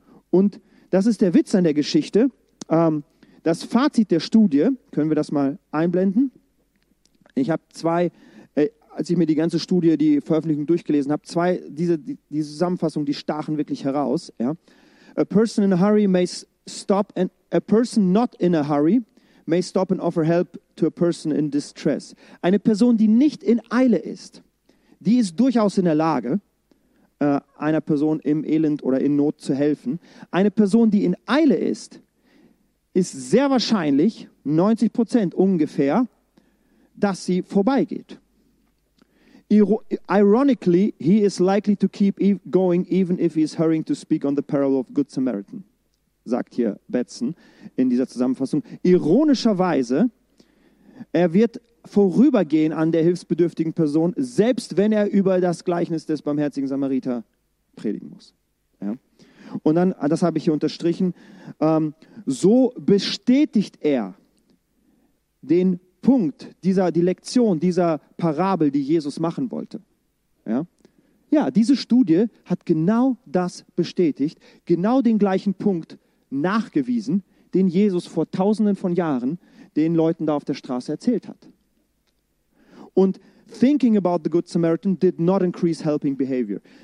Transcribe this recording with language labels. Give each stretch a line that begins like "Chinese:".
German: Und das ist der Witz an der Geschichte. Das Fazit der Studie, können wir das mal einblenden? Ich habe als ich mir die ganze Studie, die Veröffentlichung durchgelesen habe, diese Zusammenfassung, die stachen wirklich heraus. Ja.
English: A person not in a hurry may stop and offer help to a person in distress.
German: Eine Person, die nicht in Eile ist, die ist durchaus in der Lage, einer Person im Elend oder in Not zu helfen. Eine Person, die in Eile ist, ist sehr wahrscheinlich, 90% ungefähr, dass sie vorbeigeht.
English: Ironically, he is likely to keep going even if he is hurrying to speak on the parable of Good Samaritan,
German: sagt hier Betzen in dieser Zusammenfassung. Ironischerweise, er wird vorübergehen an der hilfsbedürftigen Person, selbst wenn er über das Gleichnis des barmherzigen Samariter predigen muss. Ja. Und dann, das habe ich hier unterstrichen, so bestätigt er den Punkt, die Lektion dieser Parabel, die Jesus machen wollte. Ja? Ja, diese Studie hat genau das bestätigt, genau den gleichen Punkt nachgewiesen, den Jesus vor tausenden von Jahren den Leuten da auf der Straße erzählt hat.
English: Und thinking about the Good Samaritan did not increase helping behavior.